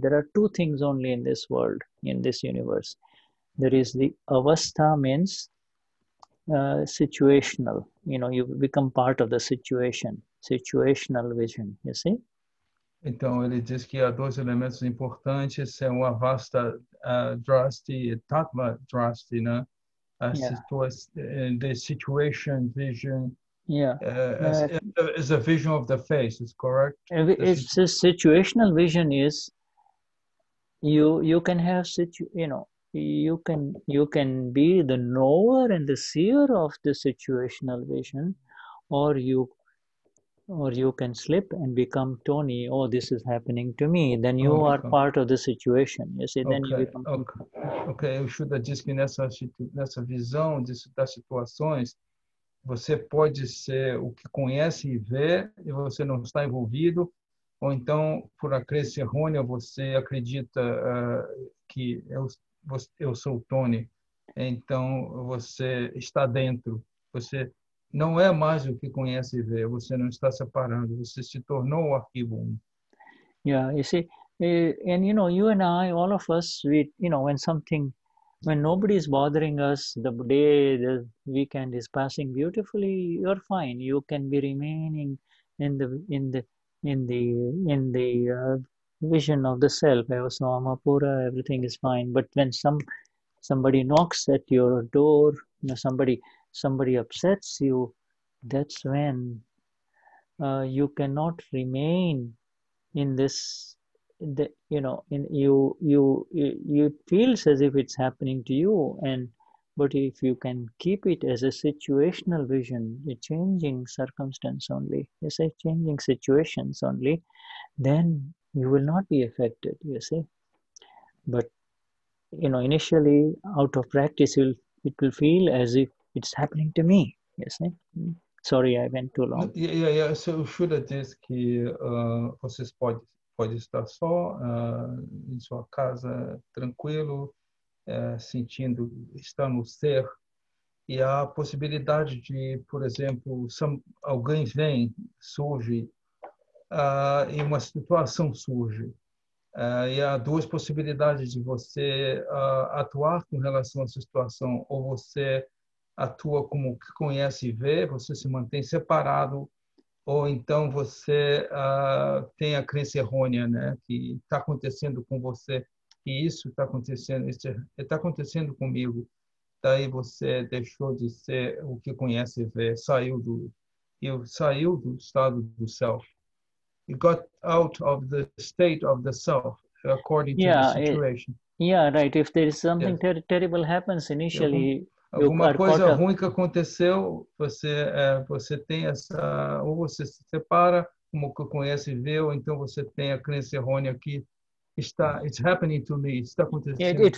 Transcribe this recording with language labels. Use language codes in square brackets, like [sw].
[en] There are two things only in this world, in this universe. There is the avastha means situational. You know, you become part of the situation. Situational vision, you see? [pt] Então, ele diz que há dois elementos importantes, são o avasta drasti e tatva drasti, né? [en] The situation vision. It's a vision of the face, is correct? It's a situational vision is, you can have, you can be the knower and the seer of the situational vision, or you can slip and become Tony, oh, this is happening to me. Then you are part of the situation. You see, then you become [pt] Okay, o Shuddha diz que nessa visão das situações, você pode ser o que conhece e vê, e você não está envolvido, ou então, por a crença errônea, você acredita que eu sou o Tony. Então, você está dentro. Você não é mais o que conhece e vê. Você não está separando. Você se tornou o arquivo 1. [en] Yeah, you see, and you know, you and I, all of us, we, you know, when something, when nobody is bothering us, the day, the weekend is passing beautifully, you're fine. You can be remaining in the vision of the self. I was Amapura, everything is fine. But when somebody knocks at your door, you know, somebody upsets you, that's when you cannot remain in this, it feels as if it's happening to you, but if you can keep it as a situational vision, a changing circumstance only, you say changing situations only, then you will not be affected, you see. But, you know, initially out of practice, it will feel as if it's happening to me, you see. Sorry, I went too long. Yeah. So, you should ask for this point. [pt] Pode estar só em sua casa, tranquilo, sentindo, está no ser. E há a possibilidade de, por exemplo, alguém vem, surge, e uma situação surge. E há duas possibilidades de você atuar com relação à situação. Ou você atua como que conhece e vê, você se mantém separado. Ou então você tem a crença errônea, né? Que está acontecendo com você, que isso está acontecendo, está acontecendo comigo. Daí você deixou de ser o que conhece e vê, saiu do estado do self. [en] You got out of the state of the self, according to the situation. Right. If there is something terrible happens initially... [pt] Alguma coisa ruim que aconteceu, você tem essa, ou você se separa, como que conhece e vê, ou então você tem a crença errônea que está, [en] it's happening to me, [pt] está acontecendo comigo.